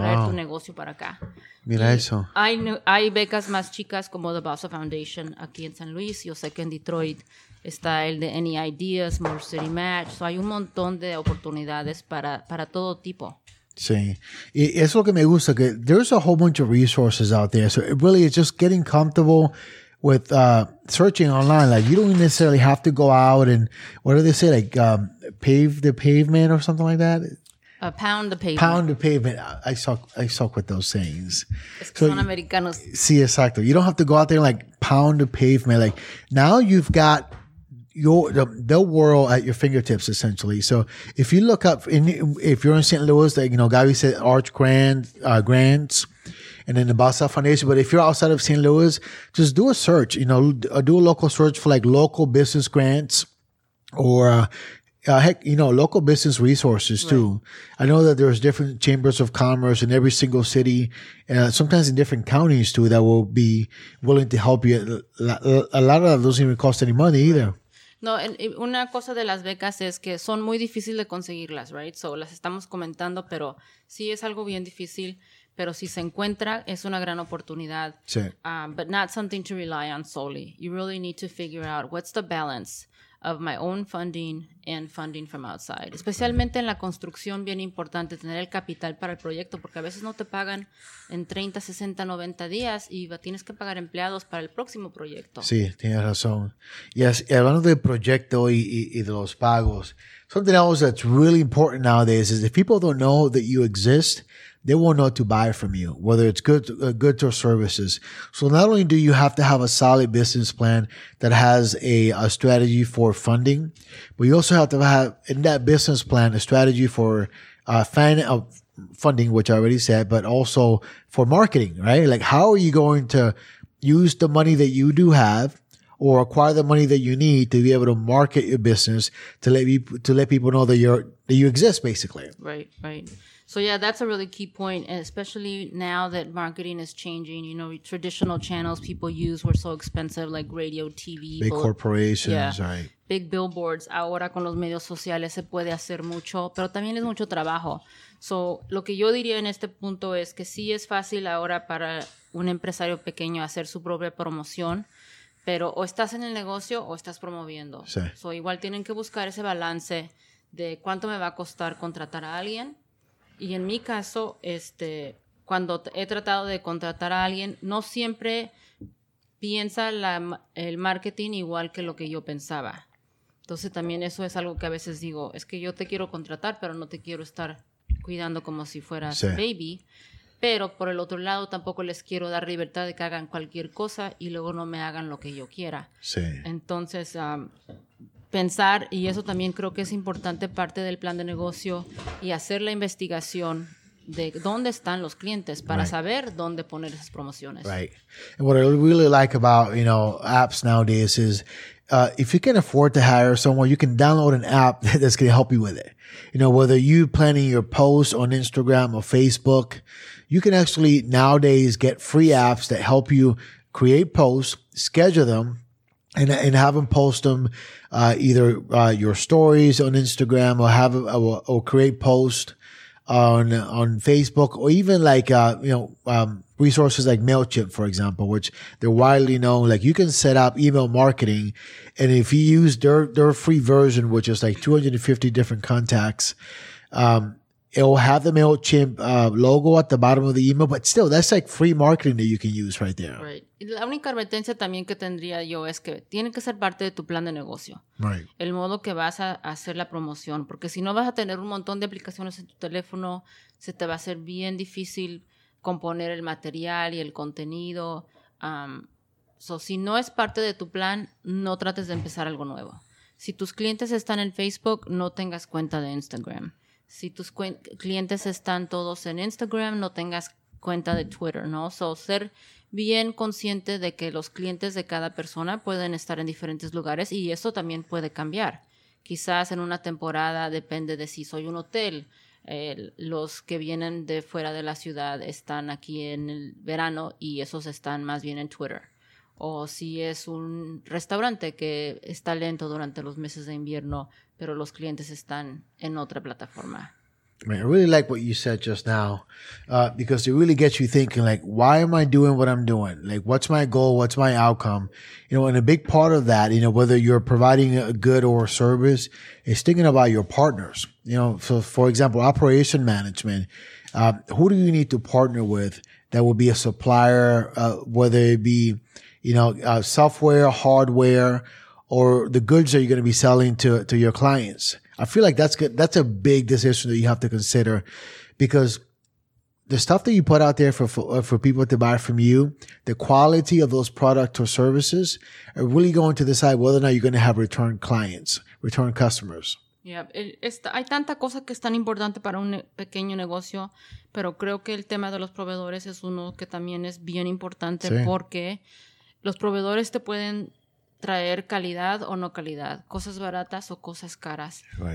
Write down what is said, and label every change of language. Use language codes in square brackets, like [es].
[es] traer tu negocio para acá. Mira y eso. Hay becas más chicas como The Bossa Foundation aquí en San Luis. Yo sé que en Detroit está el de Any Ideas, More City Match. So hay un montón de oportunidades para todo tipo. Sí. Y eso es lo que me gusta, que [en] there's a whole bunch of resources out there. So it really is just getting comfortable with searching online. Like you don't necessarily have to go out and, what do they say, like pave the pavement or something like that? Pound the pavement. Pound the pavement. I suck with those sayings. [es] Es que son americanos. Sí, exacto. [en] You don't have to go out there and like pound the pavement. Like now you've got the world at your fingertips, essentially. So if you look up, if you're in St. Louis, like, you know, Gabby said Arch Grants, and then the Bossa Foundation. But if you're outside of St. Louis, just do a search, you know, do a local search for like local business grants or, heck, you know, local business resources too. Right. I know that there's different chambers of commerce in every single city, sometimes in different counties too, that will be willing to help you. A lot of those don't even cost any money either. [es] No, una cosa de las becas es que son muy difíciles de conseguirlas, right? So, las estamos comentando, pero sí es algo bien difícil. Pero si se encuentra, es una gran oportunidad. Sí. [en] But not something to rely on solely. You really need to figure out what's the balance of my own funding and funding from outside. [es] Especialmente en la construcción, bien importante tener el capital para el proyecto, porque a veces no te pagan en 30, 60, 90 días y tienes que pagar empleados para el próximo proyecto. Sí, tienes razón. [en] Yes, [es] y hablando del proyecto y de los pagos, [en] something else that's really important nowadays is if people don't know that you exist, they won't know to buy from you, whether it's goods or services. So not only do you have to have a solid business plan that has a strategy for funding, but you also have to have in that business plan a strategy for funding, which I already said, but also for marketing, right? Like, how are you going to use the money that you do have or acquire the money that you need to be able to market your business to let people know that you exist, basically? Right, right. So yeah, that's a really key point, especially now that marketing is changing. You know, traditional channels people use were so expensive, like radio, TV. Big corporations, right. Big billboards. [es] Ahora con los medios sociales se puede hacer mucho, pero también es mucho trabajo. So lo que yo diría en este punto es que sí es fácil ahora para un empresario pequeño hacer su propia promoción, pero o estás en el negocio o estás promoviendo. Sí. So igual tienen que buscar ese balance de cuánto me va a costar contratar a alguien. Y en mi caso, cuando he tratado de contratar a alguien, no siempre piensa el marketing igual que lo que yo pensaba. Entonces, también eso es algo que a veces digo, es que yo te quiero contratar, pero no te quiero estar cuidando como si fueras sí. baby. Pero por el otro lado, tampoco les quiero dar libertad de que hagan cualquier cosa y luego no me hagan lo que yo quiera. Sí. Entonces, pensar, y eso también creo que es importante parte del plan de negocio, y hacer la investigación de dónde están los clientes para right. saber dónde poner esas promociones. [en] Right. And what I really like about, you know, apps nowadays is if you can afford to hire someone, you can download an app that's going to help you with it. You know, whether you're planning your post on Instagram or Facebook, you can actually nowadays get free apps that help you create posts, schedule them, and have them post them either your stories on Instagram or have or create posts on Facebook or even like resources like MailChimp, for example, which they're widely known. Like, you can set up email marketing, and if you use their free version, which is like 250 different contacts, it will have the MailChimp logo at the bottom of the email, but still, that's like free marketing that you can use right there. Right. [es] Y la única advertencia también que tendría yo es que tiene que ser parte de tu plan de negocio. [en] Right. [es] El modo que vas a hacer la promoción, porque si no vas a tener un montón de aplicaciones en tu teléfono, se te va a hacer bien difícil componer el material y el contenido. So, si no es parte de tu plan, no trates de empezar algo nuevo. Si tus clientes están en Facebook, no tengas cuenta de Instagram. Si tus clientes están todos en Instagram, no tengas cuenta de Twitter, ¿no? So, ser bien consciente de que los clientes de cada persona pueden estar en diferentes lugares y eso también puede cambiar. Quizás en una temporada, depende de si soy un hotel, los que vienen de fuera de la ciudad están aquí en el verano y esos están más bien en Twitter. O si es un restaurante que está lento durante los meses de invierno, pero los clientes están en otra plataforma. [en] Man, I really like what you said just now, because it really gets you thinking, like, why am I doing what I'm doing? Like, what's my goal? What's my outcome? You know, and a big part of that, you know, whether you're providing a good or a service, is thinking about your partners. You know, so for example, operation management, who do you need to partner with that will be a supplier, whether it be, you know, software, hardware, or the goods that you're going to be selling to your clients. I feel like that's a big decision that you have to consider, because the stuff that you put out there for people to buy from you, the quality of those products or services are really going to decide whether or not you're going to have return clients, return customers. [es] Yeah, hay tanta cosa que es tan importante para un pequeño negocio, pero creo que el tema de los proveedores es uno que también es bien importante sí. porque los proveedores te pueden traer calidad o no calidad, cosas baratas o cosas caras. [en] Right.